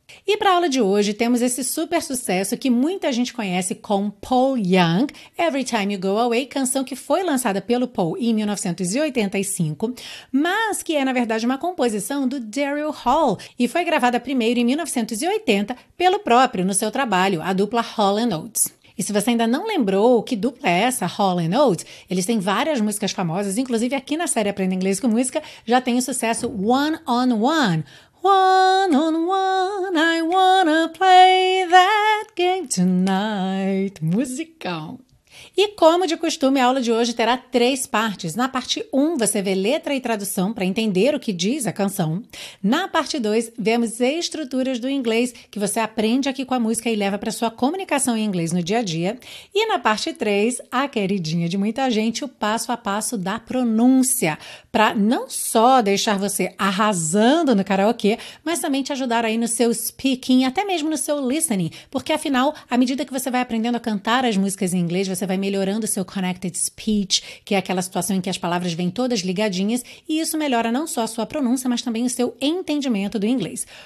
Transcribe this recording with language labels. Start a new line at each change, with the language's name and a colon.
Portuguese: E para a aula de hoje, temos esse super sucesso que muita gente conhece com Paul Young, Every Time You Go Away, canção que foi lançada pelo Paul em 1985, mas que é, na verdade, uma composição do Daryl Hall e foi gravada primeiro em 1980 pelo próprio, no seu trabalho, a dupla Hall & Oates. E se você ainda não lembrou que dupla é essa, Hall & Oates, eles têm várias músicas famosas, inclusive aqui na série Aprenda Inglês com Música, já tem o sucesso One on One.
English: One on one, I wanna play that game tonight.
Portuguese: Musicão. E como de costume, a aula de hoje terá três partes. Na parte 1, você vê letra e tradução para entender o que diz a canção. Na parte 2, vemos estruturas do inglês que você aprende aqui com a música e leva para sua comunicação em inglês no dia a dia. E na parte 3, a queridinha de muita gente, o passo a passo da pronúncia, para não só deixar você arrasando no karaokê, mas também te ajudar aí no seu speaking, até mesmo no seu listening, porque afinal, à medida que você vai aprendendo a cantar as músicas em inglês, você vai melhorando o seu connected speech, que é aquela situação em que as palavras vêm todas ligadinhas, e isso melhora não só a sua pronúncia, mas também o seu entendimento do inglês.